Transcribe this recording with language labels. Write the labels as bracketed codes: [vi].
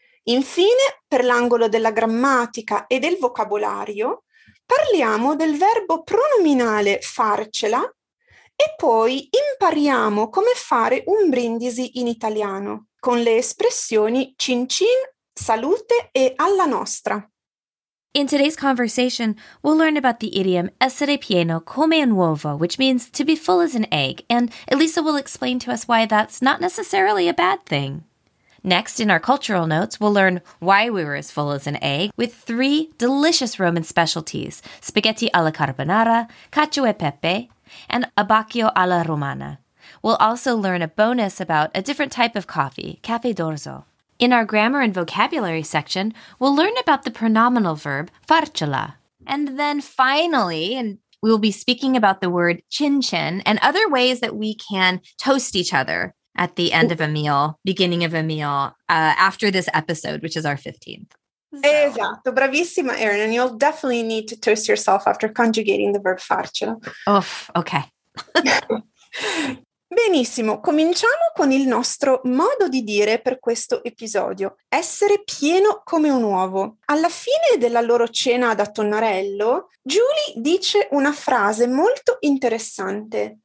[it] Infine, per l'angolo della grammatica e del vocabolario, parliamo del verbo pronominale farcela. E poi impariamo come fare un brindisi in italiano con le espressioni cin cin, salute e alla nostra. [en] In today's conversation, we'll learn about the idiom [it] essere pieno come un uovo, [en] which means to be full as an egg, and Elisa will explain to us why that's not necessarily a bad thing. Next, in our cultural notes, we'll learn why we were as full as an egg with three delicious Roman specialties: spaghetti alla carbonara, cacio e pepe, and abbacchio alla romana. We'll also learn a bonus about a different type of coffee, caffè d'orzo. In our grammar and vocabulary section, we'll learn about the pronominal verb farcela. And then finally, we'll be speaking about the word cin cin and other ways that we can toast each other at the end of a meal, beginning of a meal, after this episode, which is our 15th. So. [it] Esatto, bravissima [en] Erin, and you'll definitely need to toast yourself after conjugating the verb farcela. Uff, ok. [it] Benissimo, cominciamo con il nostro modo di dire per questo episodio, essere pieno come un uovo. Alla fine della loro cena da Tonnarello, Julie dice una frase molto interessante.